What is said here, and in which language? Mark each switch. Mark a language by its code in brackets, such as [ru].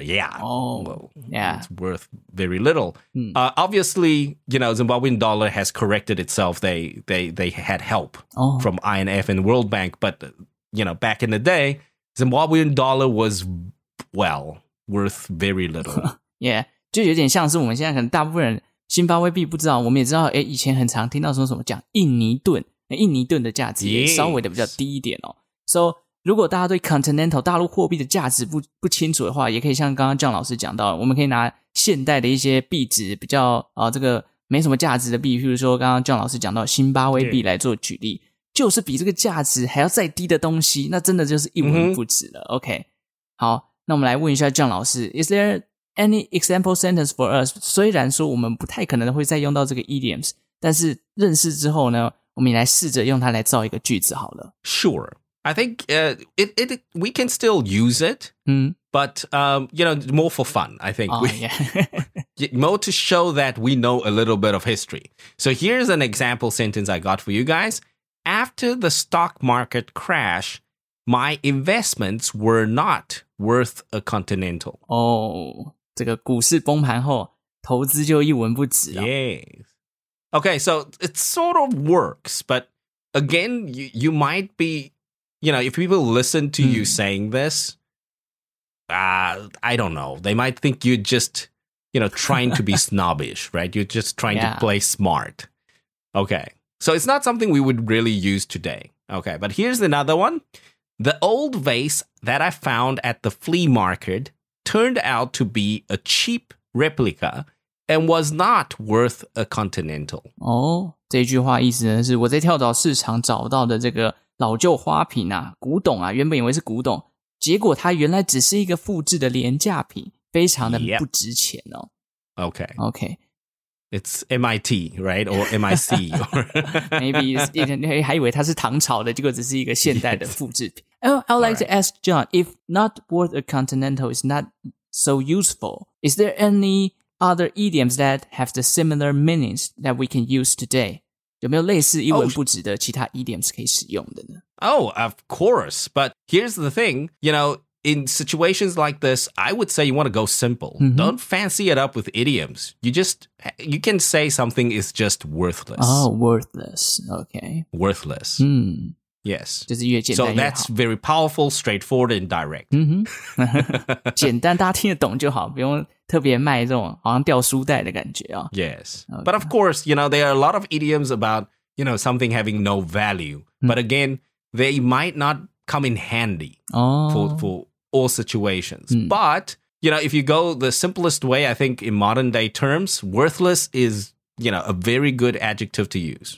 [en] Yeah. It's worth very little. Obviously, you know, Zimbabwean dollar has corrected itself. They had help from IMF and World Bank. But, you know, back in the day, Zimbabwean dollar was, well... worth very little. [zh] Yeah, 就有点像是我们现在可能大部分人新巴威币不知道，我们也知道，以前很常听到说什么讲印尼盾，印尼盾的价值也稍微的比较低一点哦。 So, 如果大家对 continental 大陆货币的价值不清楚的话，也可以像刚刚 John 老师讲到，我们可以拿现代的一些币值比较这个没什么价值的币，譬如说刚刚 John 老师讲到新巴威币来做举例，就是比这个价值还要再低的东西，那真的就是一文不值了。 OK, 好。那我们来问一下John老师, [en] is there any example sentence for us? [zh] 虽然说我们不太可能会再用到这个 idioms, 但是认识之后呢,我们也来试着用它来造一个句子好了。 [en] Sure. I think we can still use it, but, you know, more for fun, I think. more to show that we know a little bit of history. So here's an example sentence I got for you guys. After the stock market crash,My investments were not worth a continental. [zh] 这个股市崩盘后投资就一文不值了。 [en] Yes. Okay, so it sort of works, but again, you might be, you know, if people listen to you saying this, I don't know, they might think you're just, you know, trying to be snobbish, right? You're just trying to play smart. Okay, so it's not something we would really use today. Okay, but here's another one. The old vase that I found at the flea market turned out to be a cheap replica and was not worth a continental. [zh] 这句话意思呢是我在跳蚤市场找到的这个老旧花瓶啊古董啊原本以为是古董结果它原来只是一个复制的廉价品非常的不值钱哦。 [en] Okay. It's MIT, right? Or MIC. [zh] Maybe 还以为它是唐朝的结果只是一个现代的复制品。 [en] I'd like to ask John, if not worth a continental is not so useful, is there any other idioms that have the similar meanings that we can use today? [zh] 有没有类似一文不值的其他 idioms 可以使用的呢? [en] Oh, of course. But here's the thing, you know, in situations like this, I would say you want to go simple. Mm-hmm. Don't fancy it up with idioms. You can say something is just worthless. Oh, worthless. Okay. Worthless. Yes. [zh] 就是越简单越好。 [en] So that's very powerful, straightforward, and direct. [zh] 简单大家听得懂就好不用特别卖这种好像掉书袋的感觉哦。 [en] Yes. Okay. But of course, you know, there are a lot of idioms about, you know, something having no value. But again, they might not come in handy for all situations. But You know, if you go the simplest way, I think in modern day terms, worthless is, you know, a very good adjective to use.